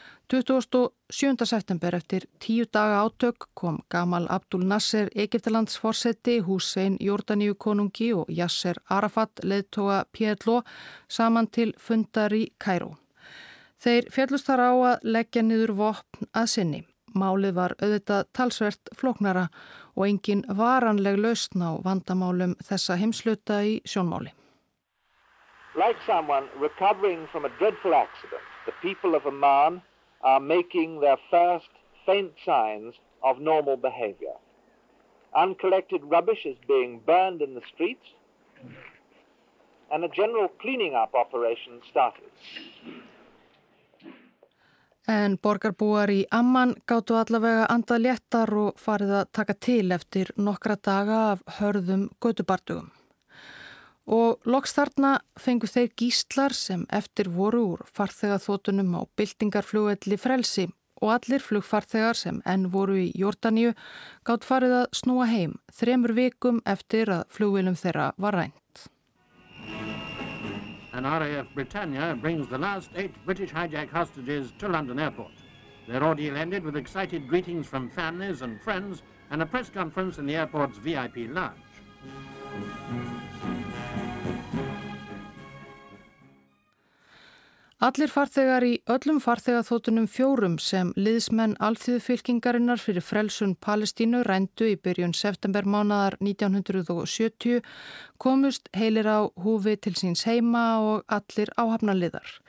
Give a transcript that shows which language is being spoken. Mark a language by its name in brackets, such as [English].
[Icelandic] 27. september eftir 10 daga átök kom Gamal Abdul Nasser Egyptalands forseti, Hussein Jórdaníu konungi og Yasser Arafat leiðtoga PLO saman til fundar í Kairó. Þeir féllust þar á að leggja niður vopn að sinni. Málið var auðvitað talsvert flóknara og engin varanleg lausn á vandamálum þessa heimsluta í sjónmáli. [English] Like someone recovering from a dreadful accident, the people of Amman are making their first faint signs of normal behavior. Uncollected rubbish is being burned in the streets, and a general cleaning up operation started. [Icelandic] En borgarbúar í Amman gátu allavega andað léttar og farið að taka til eftir nokkra daga af hörðum götubardögum. Og loks þarna fengu þeir gíslar sem eftir voru úr farþegaþotunum á byltingarflugvelli frelsi og allir flugfarþegar sem enn voru í Jórdaníu gátt farið að snúa heim 3 vikum eftir að flugvélum þeirra var rænt. [English] An RAF Britannia brings the last 8 British hijack hostages to London Airport. Their ordeal ended with excited greetings from families and friends and a press conference in the airport's VIP lounge. [Icelandic] Allir farþegar í öllum farþegaþotunum 4 sem liðsmenn alþýðufylkingarinnar fyrir frelsun Palestínu rændu í byrjun septembermánaðar 1970 komust heilir á húfi til síns heima og allir áhafnaliðar.